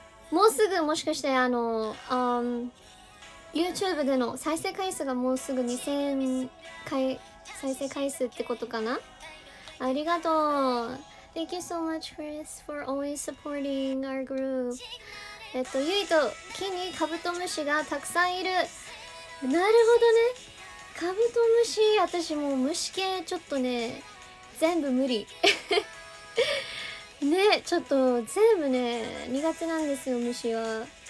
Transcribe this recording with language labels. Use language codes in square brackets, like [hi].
[ja] あ、もうすぐ、もしかして YouTube での再生回数がもうすぐ2000回再生回数ってことかな。ありがとう。 [en] Thank you so much, Chris, for always supporting our group. [ja] ゆいと、木にカブトムシがたくさんいる。なるほどね。カブトムシ、私もう虫系ちょっとね、全部無理。ね、ちょっと全部ね、苦手なんですよ、虫は。